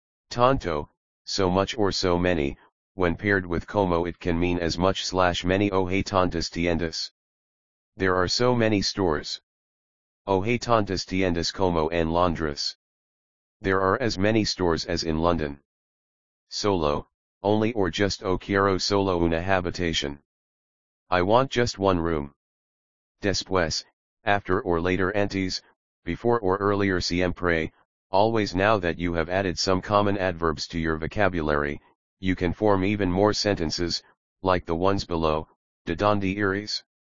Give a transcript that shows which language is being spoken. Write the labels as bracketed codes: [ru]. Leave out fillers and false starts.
[en] Tanto, so much or so many, when paired with como it can mean as much slash many [es] o hay tantas tiendas. [en] There are so many stores. [es] O hay tantas tiendas como en Londres. [en] There are as many stores as in London. [es] Solo, [en] only or just [es] o quiero solo una habitación. [en] I want just one room. Después, after or later antes, before or earlier siempre, always now that you have added some common adverbs to your vocabulary, you can form even more sentences, like the ones below, [es] de donde eres?